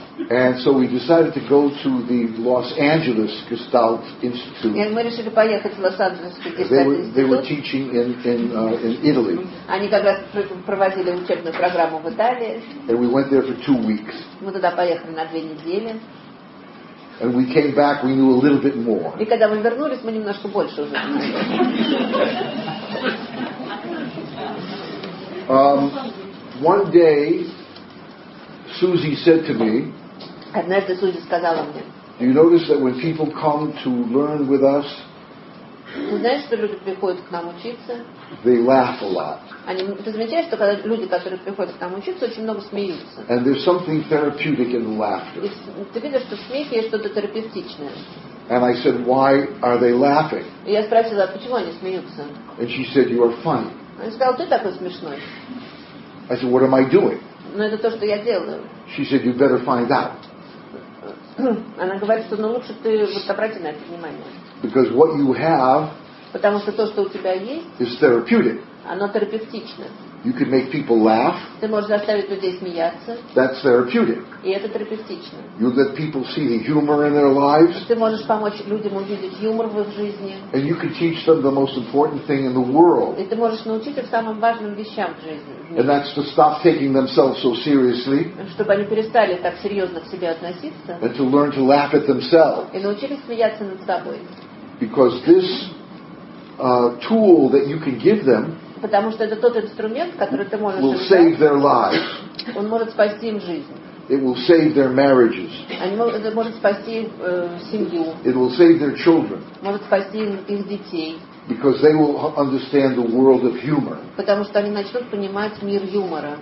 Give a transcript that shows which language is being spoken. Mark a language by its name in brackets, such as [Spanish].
[English] And so we decided to go to the Los Angeles Gestalt Institute. [Russian] И мы решили поехать в Лос-Анджелес Гештальт Институт. [English] They were teaching in Italy. [Russian] Они как раз проводили учебную программу в Италии. [English] And we went there for 2 weeks. [Russian] Мы туда поехали на 2 недели. [English] And we came back, we knew a little bit more. [Russian] И когда мы вернулись, мы немножко больше уже знали. [English] One day, Susie said to me. [Russian] Однажды Сузи сказала мне. [English] Do you notice that when people come to learn with us? [Russian] Ты знаешь, что люди приходят к нам учиться? [English] They laugh a lot. [Russian] Они, ты замечаешь, что когда люди, которые приходят к нам учиться, очень много смеются. [English] And there's something therapeutic in the laughter. [Russian] И, ты видишь, что в смехе есть что-то терапевтичное. [English] And I said, why are they laughing? [Russian] И я спросила, почему они смеются? [English] And she said, you are funny. [Russian] Она сказала, ты такой смешной. [English] I said, what am I doing? [Russian] Но это то, что я делаю. [English] She said, you better find out. [Russian] Она говорит, что ну, лучше ты вот обрати на это внимание. [English] Because what you have. [Russian] Потому что то, что у тебя есть. [English] Is therapeutic. [Russian] Оно терапевтично. [English] You can make people laugh. [Russian] Ты можешь заставить людей смеяться. [English] That's therapeutic. [Russian] И это терапевтично. [English] You let people see the humor in their lives. [Russian] Ты можешь помочь людям увидеть юмор в их жизни. [English] And you can teach them the most important thing in the world. [Russian] И ты можешь научить их самым важным вещам в жизни. [English] And that's to stop taking themselves so seriously. [Russian] Чтобы они перестали так серьезно к себе относиться. [English] And to learn to laugh at themselves. [Russian] И научились смеяться над собой. [English] Because this tool that you can give them. [Russian] Потому что это тот инструмент, который ты можешь [English] will save their lives. [Russian] Он может спасти им жизнь. [English] It will save their marriages. [Russian] Это может спасти семью. [English] It will save their children. [Russian] Может спасти их детей. [English] Because they will understand the world of humor. [Russian] Потому что они начнут понимать мир юмора.